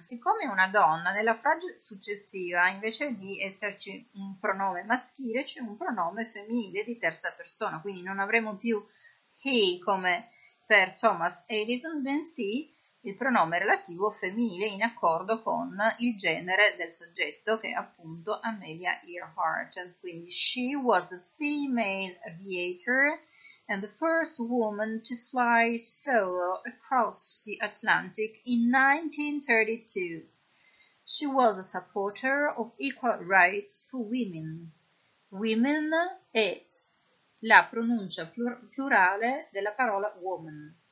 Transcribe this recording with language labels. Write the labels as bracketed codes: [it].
[it] Siccome una donna, nella frase successiva, invece di esserci un pronome maschile, c'è un pronome femminile di terza persona, quindi non avremo più he come per Thomas Edison, bensì il pronome relativo femminile in accordo con il genere del soggetto, che è appunto Amelia Earhart. Quindi [en] she was a female aviator and the first woman to fly solo across the Atlantic in 1932. She was a supporter of equal rights for women. [it] Women è la pronuncia plurale della parola woman.